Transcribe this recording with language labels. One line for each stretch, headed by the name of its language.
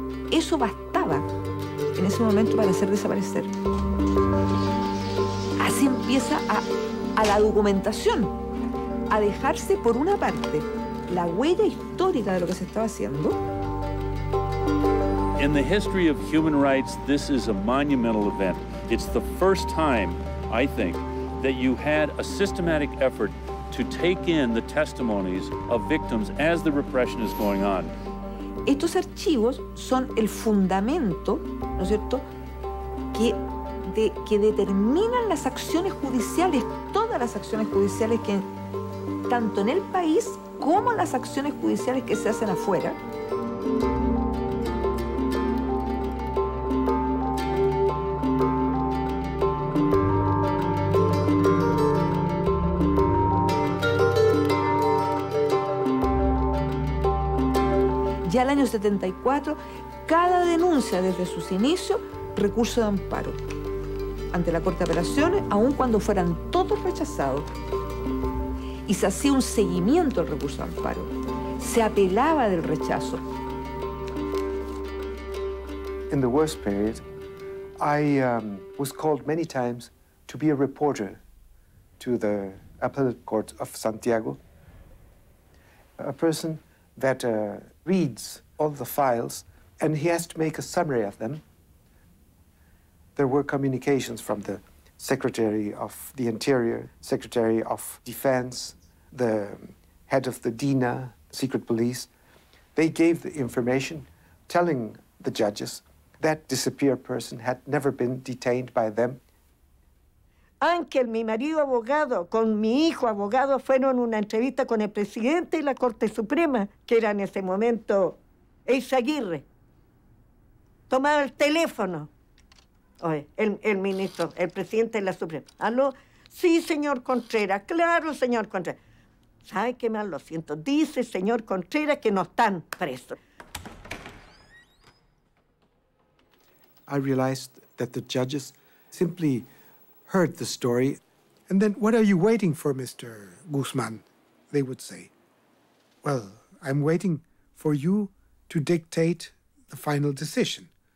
Spanish: Eso bastaba en ese momento para hacer desaparecer. Así empieza a la documentación a dejarse, por una parte, la huella histórica de lo que se estaba haciendo.
English: In the history of human rights, this is a monumental event. It's the first time, I think, that you had a systematic effort to take in the testimonies of victims as the repression is going on.
Spanish: Estos archivos son el fundamento, ¿no es cierto?, que determinan las acciones judiciales, todas las acciones judiciales que, tanto en el país como las acciones judiciales que se hacen afuera. Ya el año 74, cada denuncia desde sus inicios, recurso de amparo ante la Corte de Apelaciones, aun cuando fueran todos rechazados. Y se hacía un seguimiento al recurso de amparo. Se apelaba del rechazo.
English: In the worst period, I was called many times to be a reporter to the Appellate Court of Santiago. A person that reads all the files, and he has to make a summary of them. There were communications from the Secretary of the Interior, Secretary of Defense, the head of the DINA, secret police. They gave the information telling the judges that disappeared person had never been detained by them.
Spanish: Ángel, mi marido abogado, con mi hijo abogado, fueron una entrevista con el presidente y la Corte Suprema, que era en ese momento Eizaguirre. Tomaba el teléfono. Oye, el ministro, el presidente de la Suprema. ¿Aló? Sí, señor Contreras, claro, señor Contreras. ¿Sabe qué más? Lo siento. Dice el señor Contreras que no están presos.
English: I realized that the judges simply heard the story, and then, what are you waiting for, Mr. Guzmán? They would say, well, I'm waiting for you to dictate the final decision.